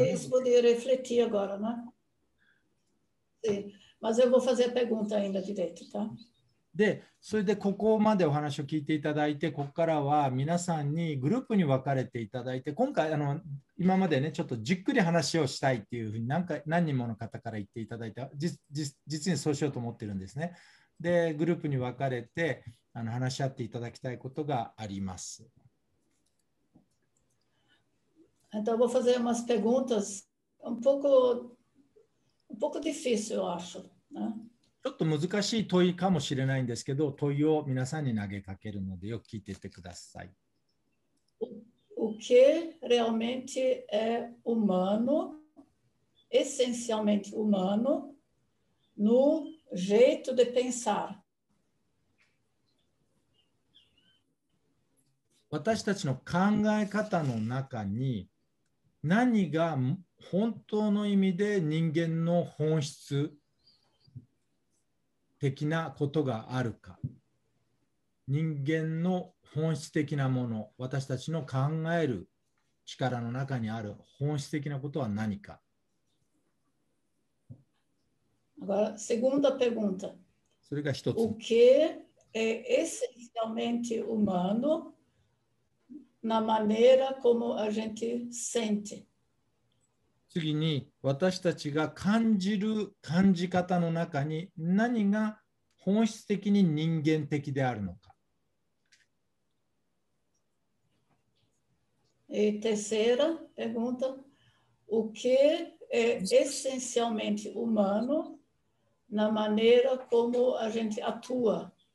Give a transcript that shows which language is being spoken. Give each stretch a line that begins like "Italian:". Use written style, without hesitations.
Portuguese: Eu poderia refletir agora, né? Sim, mas eu vou fazer a pergunta ainda direito, tá?
Japanese: でそれでここまでお話を聞いていただいて、ここからは皆さんにグループに分かれていただいて、今回今までねちょっとじっくり話をしたいっていうふうに何人もの方から言っていただいた、実にそうしようと思ってるんですね。でグループに分かれて話し合っていただきたいことがあります。
Portuguese: Então vou fazer umas perguntas um pouco difícil, eu acho, né?
Japanese: ちょっと難しい問いかもしれないんですけど、問いを皆さんに投げかけるのでよく聞いていてください。
Portuguese: O que realmente é humano, essencialmente humano, no jeito de pensar?
Japanese: 私たちの考え方の中に何が本当の意味で人間の本質的なことがあるか、人間の本質的なもの、私たちの考える力の中にある本質的なことは何か。
Portuguese: Agora, segunda pergunta.
Japanese: それが一つ。
Portuguese: O que é essencialmente humano na maneira como a gente sente?
Japanese: 次に私たちが感じる感じ方の中に何が本質的に人間的であるのか。
Portuguese: Terceira pergunta: O que é essencialmente humano na maneira como a gente atua?